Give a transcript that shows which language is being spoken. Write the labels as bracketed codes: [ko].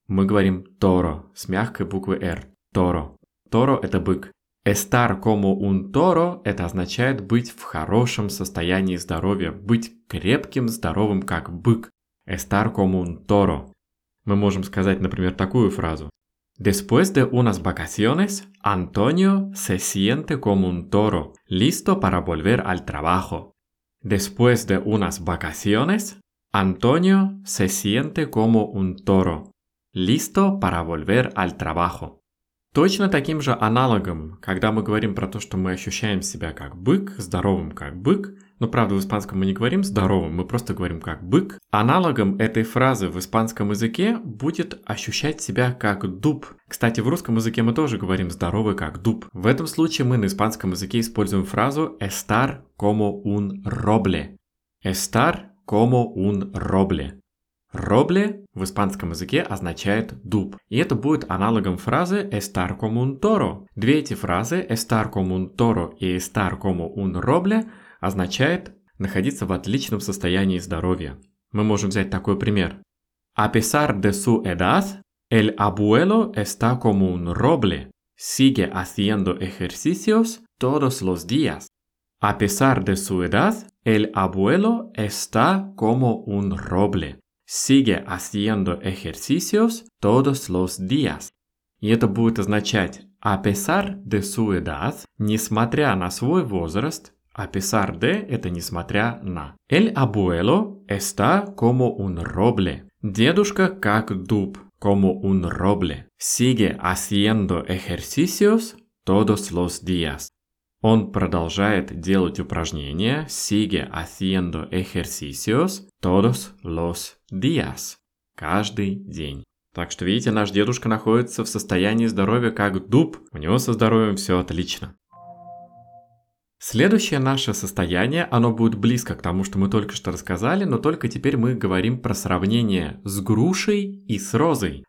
[ru] Мы говорим «торо» с мягкой буквы «р». «Торо». «Торо» — это бык. [es] «Estar como un toro» [ru] — это означает быть в хорошем состоянии здоровья, быть крепким, здоровым, как бык. [es] «Estar como un toro». [ru] Мы можем сказать, например, такую фразу. [es] «Después de unas vacaciones, Antonio se siente como un toro, listo para volver al trabajo». Después de unas vacaciones, Antonio se siente como un toro, listo para volver al trabajo. [ru] Точно таким же аналогом, когда мы говорим про то, что мы ощущаем себя как бык, здоровым как бык, но правда в испанском мы не говорим здоровым, мы просто говорим как бык. Аналогом этой фразы в испанском языке будет ощущать себя как дуб. Кстати, в русском языке мы тоже говорим здоровый как дуб. В этом случае мы на испанском языке используем фразу [es] «estar como un roble». «Estar como un roble». [ru] «Робле» в испанском языке означает «дуб». И это будет аналогом фразы [es] «estar como un toro». [ru] Две эти фразы [es] «estar como un toro» [ru] и [es] «estar como un roble» [ru] означает «находиться в отличном состоянии здоровья». Мы можем взять такой пример. [es] «A pesar de su edad, el abuelo está como un roble. Sigue haciendo ejercicios todos los días». «A pesar de su edad, el abuelo está como un roble». Sigue haciendo ejercicios todos los días. [ru] И это будет означать [es] «a pesar de su edad», [ru] «несмотря на свой возраст», [es] «a pesar de» [ru] — это «несмотря на». [es] «El abuelo está como un roble». [ru] «Дедушка как дуб», [es] «como un roble». Sigue haciendo ejercicios todos los días. [ru] Он продолжает делать упражнения [es] «sigue haciendo ejercicios todos los días» [ru] каждый день. Так что, видите, наш дедушка находится в состоянии здоровья как дуб. У него со здоровьем все отлично. Следующее наше состояние, оно будет близко к тому, что мы только что рассказали, но только теперь мы говорим про сравнение с грушей и с розой.